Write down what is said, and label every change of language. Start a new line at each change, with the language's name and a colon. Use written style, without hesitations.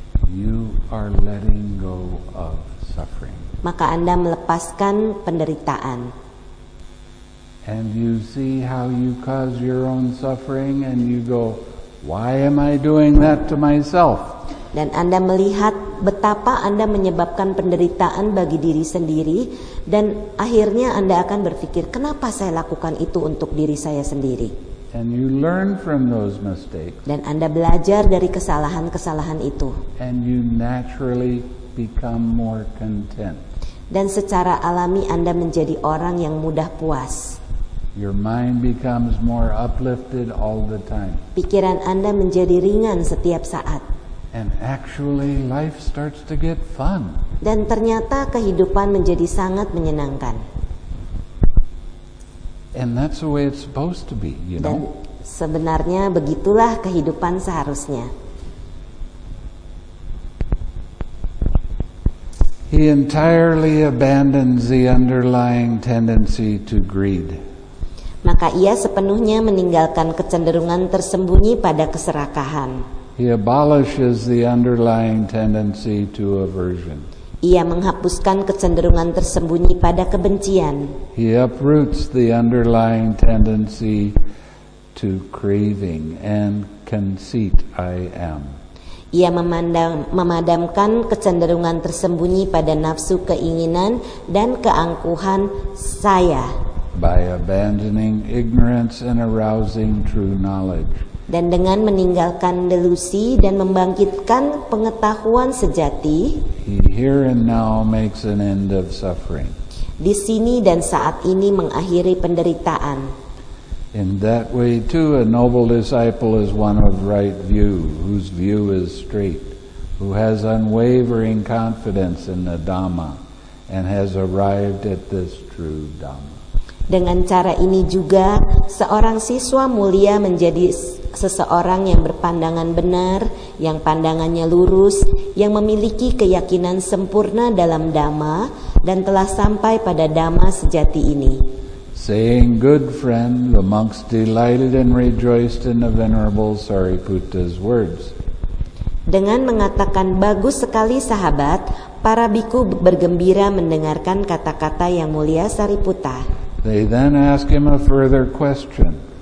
English: you are letting go of suffering.
Indonesian: Maka Anda melepaskan penderitaan.
English: And you see how you cause your own suffering and you go, why am I doing that to myself?
Indonesian: Dan Anda melihat betapa Anda menyebabkan penderitaan bagi diri sendiri, dan akhirnya Anda akan berpikir, kenapa saya lakukan itu untuk diri saya sendiri?
English: And you learn from those mistakes.
Indonesian: Dan Anda belajar dari kesalahan-kesalahan itu.
English: And you naturally become more content.
Indonesian: Dan secara alami Anda menjadi orang yang mudah puas.
English: Your mind becomes more uplifted all the time.
Indonesian: Pikiran Anda menjadi ringan setiap saat.
English: And actually life starts to get fun.
Indonesian: Dan ternyata kehidupan menjadi sangat menyenangkan.
English: And that's the way it's supposed to be, you know.
Indonesian: Dan sebenarnya begitulah kehidupan seharusnya.
English: He entirely abandons the underlying tendency to greed.
Indonesian: Maka ia sepenuhnya meninggalkan kecenderungan tersembunyi pada keserakahan.
English: He abolishes the underlying tendency to aversion.
Indonesian: Ia menghapuskan kecenderungan tersembunyi pada kebencian.
English: He uproots the underlying tendency to craving and conceit, I am.
Indonesian: Ia memadamkan kecenderungan tersembunyi pada nafsu keinginan dan keangkuhan saya.
English: By abandoning ignorance and arousing true knowledge.
Indonesian: Dan dengan meninggalkan delusi dan membangkitkan pengetahuan sejati.
English: He here and now makes an end of suffering.
Indonesian: Di sini dan saat ini mengakhiri penderitaan.
English: In that way too, a noble disciple is one of right view, whose view is straight, who has unwavering confidence in the Dhamma, and has arrived at this true Dhamma.
Indonesian: Dengan cara ini juga, seorang siswa mulia menjadi seseorang yang berpandangan benar, yang pandangannya lurus, yang memiliki keyakinan sempurna dalam Dhamma, dan telah sampai pada Dhamma sejati ini.
English: Saying, good friend, the monks delighted and rejoiced in the venerable Sariputta's words.
Indonesian: Dengan mengatakan bagus sekali sahabat, para bhikkhu bergembira mendengarkan kata-kata yang mulia Sariputta.
English: They then ask him a further question.